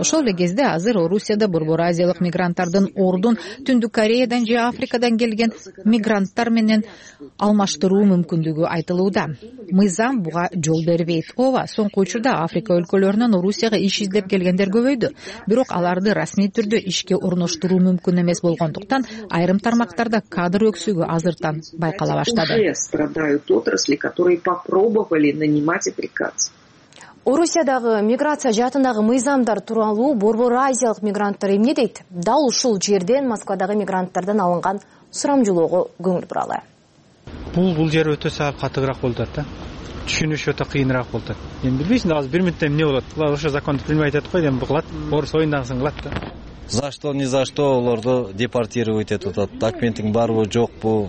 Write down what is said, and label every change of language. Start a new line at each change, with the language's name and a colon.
Kyrgyz: Ошол эле кезде азыр Орусияда борбор азиялык мигранттардын ордун Түндүк Кореядан же Африкадан келген мигранттар менен алмаштыруу мүмкүндүгү айтылууда. Мыйзам буга жол бербейт. Ооба, соңку учурда Африка өлкөлөрүнөн Орусияга иш издеп келгендер көбөйдү. Бирок аларды расмий түрдө ишке орноштуруу мүмкүн эмес болгондуктан айрым тармактарда кадр өксүгү азыртан байкала баштады.
Russian: Страдают отрасли, которые попробовали нанимать африканцев.
Kyrgyz: Орусиядагы миграция жаатындагы мыйзамдар тууралуу борбор азиялык мигранттар эмне дейт? Дал ушул жерден Москвадагы мигранттардан алынган сурамжылоого көңүл буралы. Бул жер өтө саап катыгыраак болуп атат да. Түшүнүш өтө кыйыныраак болуп атат. Эми билбейсиң да азыр бир мүнөттө эмне болот? Булар ошо законду билбей атат го, эми кылат. Орус оюндагысын кылат да.
Russian: За что, не за что
Kyrgyz: аларды
Russian: депортировать этот этот документиң
Kyrgyz: барбы жокпу?